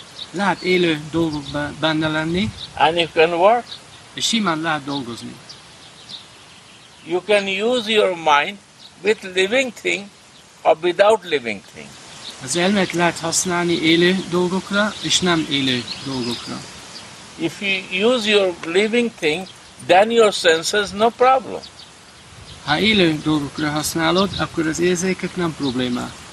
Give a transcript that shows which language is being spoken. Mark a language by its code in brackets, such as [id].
[hu] Lehet élő dolgokban benne lenni. [en] And you can work. [hu] És simán lehet dolgozni. [en] You can use your mind with living thing or without living thing. [hu] Az elmét lehet használni élő dolgokra és nem élő dolgokra. [en] If you use your living thing, then your senses no problem. [hu] Ha élő dolgokra használod, akkor az érzékek nem probléma.